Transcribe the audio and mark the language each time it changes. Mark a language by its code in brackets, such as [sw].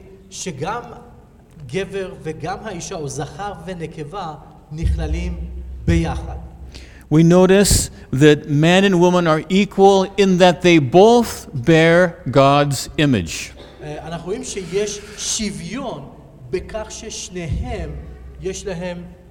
[he] שגם גבר וגם האישה או זכר ונקבה נכללים ביחד. [en] We notice that man and woman are equal in that they both bear God's image. [he] אנחנו רואים שיש שוויון בכך ששניהם יש להם